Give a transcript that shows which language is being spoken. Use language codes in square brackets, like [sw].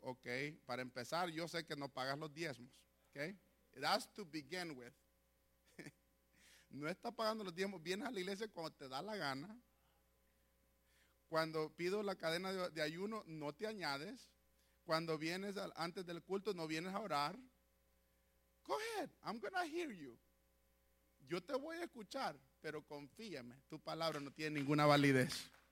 [es] Ok, para empezar, yo sé que no pagas los diezmos. [en] Ok, that's to begin with. [es] No estás pagando los diezmos. Vienes a la iglesia cuando te da la gana. Cuando pido la cadena de ayuno, no te añades. Cuando vienes antes del culto, no vienes a orar. [en] Go ahead, I'm going to hear you. [es] Yo te voy a escuchar. Pero confíame, tu palabra no tiene ninguna validez.